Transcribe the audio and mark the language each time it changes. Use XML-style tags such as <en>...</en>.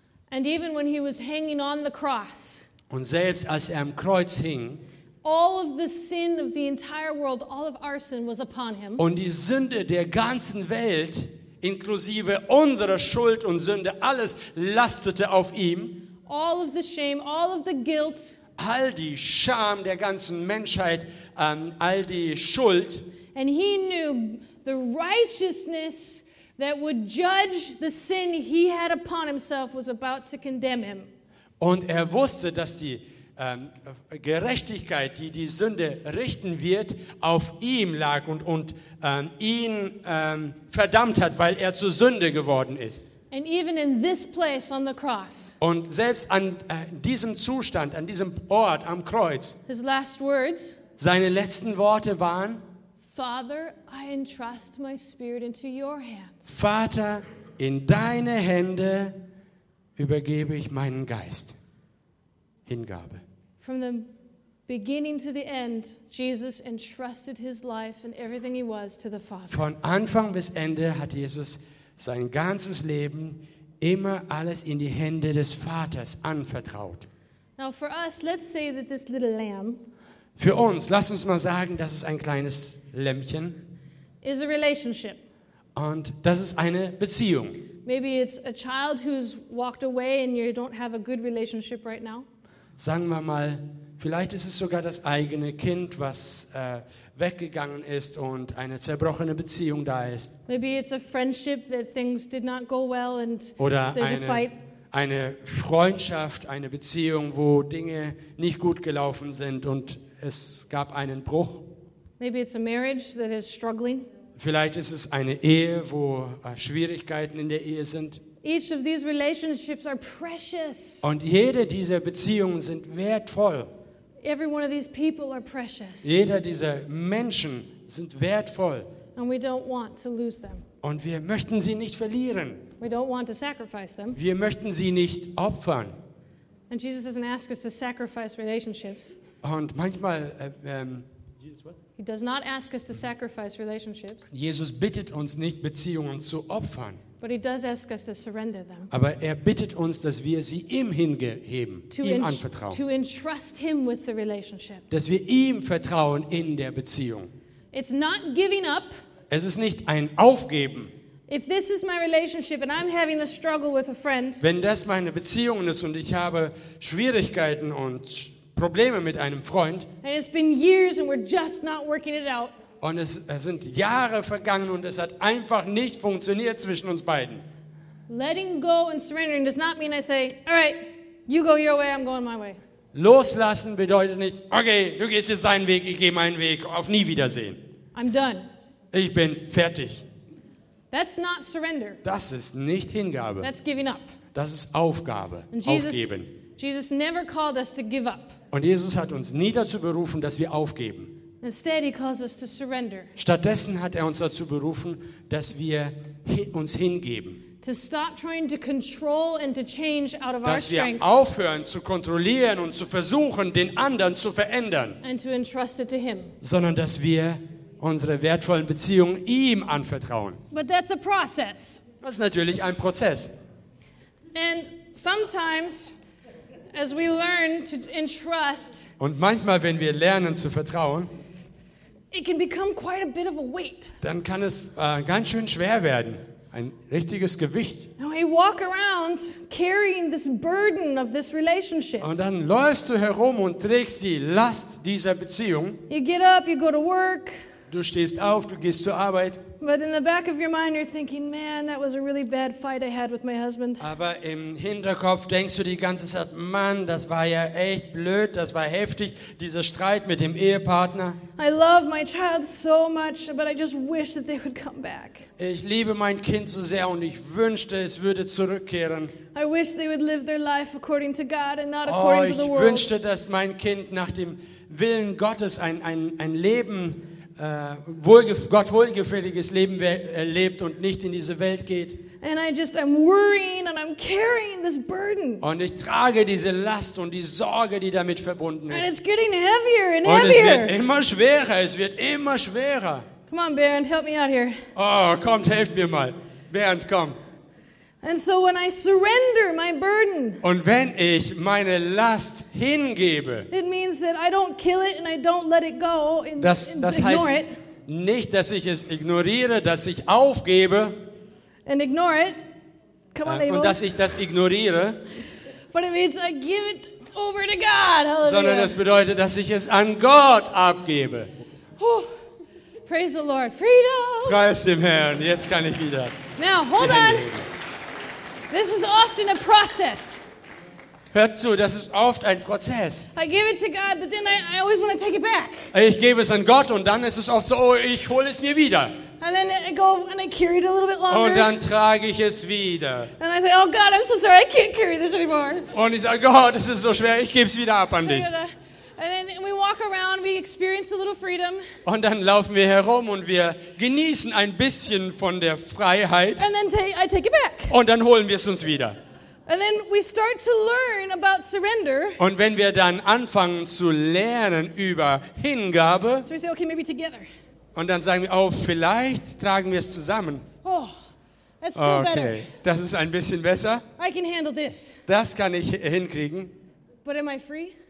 <en>And even when he was hanging on the cross,</en> <de>und selbst als er am Kreuz hing,</de> <en>all of the sin of the entire world, all of our sin was upon him.</en> <de>Und die Sünde der ganzen Welt, inklusive unserer Schuld und Sünde, alles lastete auf ihm.</de> <en>All of the shame, all of the guilt,</en> <de>all die Scham der ganzen Menschheit, all die Schuld.</de> <en>And he knew the righteousness that would judge the sin he had upon himself was about to condemn him.</en> <de>Und er wusste, dass die Gerechtigkeit, die die Sünde richten wird, auf ihm lag und ihn verdammt hat, weil er zur Sünde geworden ist.</de> <en>And even in this place on the cross,</en> <de>und selbst an diesem Zustand, an diesem Ort am Kreuz,</de> <en>his last words,</en> <de>seine letzten Worte waren,</de> <en>Father, I entrust my spirit into your hands.</en> <de>Vater, in deine Hände übergebe ich meinen Geist. Hingabe.</de> <en>From the beginning to the end, Jesus entrusted his life and everything he was to the Father.</en> <de>Von Anfang bis Ende hat Jesus sein ganzes Leben immer alles in die Hände des Vaters anvertraut.</de> <en>Now for us, let's say that this little lamb,</en> <de>für uns, lass uns mal sagen, das ist ein kleines Lämmchen.</de> <en>Is a relationship.</en> <de>Und das ist eine Beziehung.</de> <en>Maybe it's a child who's walked away and you don't have a good relationship right now.</en> <de>Sagen wir mal, vielleicht ist es sogar das eigene Kind, was weggegangen ist und eine zerbrochene Beziehung da ist.</de> <en>Maybe it's a friendship that things did not go well and</en> <de>oder</de> <en>there's a fight.</en> <de>Eine Freundschaft, eine Beziehung, wo Dinge nicht gut gelaufen sind und es gab einen Bruch.</de> <en>Maybe it's a marriage that is struggling.</en> <de>Vielleicht ist es eine Ehe, wo Schwierigkeiten in der Ehe sind.</de> <en>Each of these relationships are precious.</en> <de>Und jede dieser Beziehungen sind wertvoll.</de> <en>Every one of these people are precious.</en> <de>Jeder dieser Menschen sind wertvoll.</de> <en>And we don't want to lose them.</en> <de>Und wir möchten sie nicht verlieren.</de> <en>We don't want to sacrifice them.</en> <de>Wir möchten sie nicht opfern.</de> <en>And Jesus doesn't ask us to sacrifice relationships.</en> <de>Und manchmal</de> <en>He does not ask us to sacrifice relationships.</en> <de>Jesus bittet uns nicht, Beziehungen zu opfern.</de> <en>But he does ask us to surrender them.</en> <de>Aber er bittet uns, dass wir sie ihm hingeben, ihm anvertrauen.</de> <en>To entrust him with the relationship.</en> <de>Dass wir ihm vertrauen in der Beziehung.</de> <en>It's not giving up.</en> <de>Es ist nicht ein Aufgeben.</de> <en>If this is my relationship and I'm having a struggle with a friend.</en> <de>Wenn das meine Beziehung ist und ich habe Schwierigkeiten und Probleme mit einem Freund.</de> <en>And it's been years and we're just not working it out.</en> <de>Und es sind Jahre vergangen und es hat einfach nicht funktioniert zwischen uns beiden.</de> <en>Letting go and surrendering does not mean I say, all right, you go your way, I'm going my way.</en> <de>Loslassen bedeutet nicht, okay, du gehst jetzt deinen Weg, ich gehe meinen Weg, auf nie wiedersehen.</de> <en>I'm done.</en> <de>Ich bin fertig.</de> <en>That's not surrender.</en> <de>Das ist nicht Hingabe.</de> <en>That's giving up.</en> <de>Das ist Aufgabe, aufgeben.</de> <en>Jesus never called us to give up.</en> <de>Und Jesus hat uns nie dazu berufen, dass wir aufgeben.</de> <en>Instead, he calls us to surrender.</en> <de>Stattdessen hat uns dazu berufen, dass wir uns hingeben.</de> <en>To stop trying to control and to change out of</en> <de>dass</de> <en>our strength.</en> <de>Dass wir aufhören zu kontrollieren und zu versuchen, den anderen zu verändern.</de> <en>And to entrust it to him.</en> <de>Sondern dass wir unsere wertvollen Beziehungen ihm anvertrauen.</de> <en>But that's a process.</en> <de>Das ist natürlich ein Prozess.</de> <en>And sometimes as we learn to entrust.</en> <de>Und manchmal wenn wir lernen zu vertrauen,</de> <en>it can become quite a bit of a weight.</en> <de>Dann kann es ganz schön schwer werden, ein richtiges Gewicht.</de> <en>Now we walk around carrying this burden of this relationship.</en> <de>Und dann läufst du herum und trägst die Last dieser Beziehung.</de> <en>You get up, you go to work.</en> <de>Du stehst auf, du gehst zur Arbeit.</de> <en>But in the back of your mind you're thinking, man, that was a really bad fight I had with my husband.</en> <de>Aber im Hinterkopf denkst du die ganze Zeit, Mann, das war ja echt blöd, das war heftig, dieser Streit mit dem Ehepartner.</de> <en>I love my child so much, but I just wish that they would come back.</en> <de>Ich liebe mein Kind so sehr und ich wünschte, es würde zurückkehren.</de> <en>I wish they would live their life according to God and not oh, according to the world.</en> <de>Ich wünschte, dass mein Kind nach dem Willen Gottes ein Leben Gott wohlgefälliges Leben erlebt und nicht in diese Welt geht.</de> <en>And I just, I'm worrying and I'm carrying this burden.</en> <de>Und ich trage diese Last und die Sorge, die damit verbunden ist.</de> <en>And it's getting heavier and</en> <de>und</de> <en>heavier.</en> <de>Es wird immer schwerer, es wird immer schwerer.</de> <en>Come on, Bernd, help me out here.</en> <de>Oh, kommt, helft mir mal. Bernd, komm.</de> <en>And so when I surrender my burden,</en> <de>und wenn ich meine Last hingebe,</de> <en>it means that I don't kill it and I don't let it go and</en> <de>das, das</de> <en>ignore</en> <de>heißt</de> <en>it.</en> <de>Nicht, dass ich es ignoriere, dass ich aufgebe.</de> <en>And ignore it. Come on, Abel.</en> <de>Und dass ich das ignoriere.</de> <en>But it means I give it over to God. Hallelujah.</en> <de>Sondern das bedeutet, dass ich es an Gott abgebe.</de> <en>Whew. Praise the Lord. Freedom.</en> <de>Preis dem Herrn. Jetzt kann ich wieder.</de> <en>Now, hold on. This is often a process.</en> <de>Hört zu, das ist oft ein Prozess.</de> <en>I give it to God, but then I always want to take it back.</en> <de>Ich gebe es an Gott und dann ist es oft so, oh, ich hole es mir wieder.</de> <en>And then I go and I carry it a little bit longer.</en> <de>Und dann trage ich es wieder.</de> <en>And I say, oh God, I'm so sorry, I can't carry this anymore.</en> <de>Und ich sage, Gott, es ist so schwer, ich gebe es wieder ab an dich.</de> <en>And then we walk around, we experience a little freedom.</en> <de>Und dann laufen wir herum und wir genießen ein bisschen von der Freiheit.</de> <en>And then I take it back.</en> <de>Und dann holen wir es uns wieder.</de> <en>And then we start to learn about surrender.</en> <de>Und wenn wir dann anfangen zu lernen über Hingabe.</de> <en>So we say, okay, maybe together.</en> <de>Und dann sagen wir, oh, vielleicht tragen wir es zusammen.</de> <en>Oh, that's still okay. Better.</en> <de>Das ist ein bisschen besser.</de> <en>I can handle this.</en> <de>Das kann ich hinkriegen.</de> <en>But am I free?</en>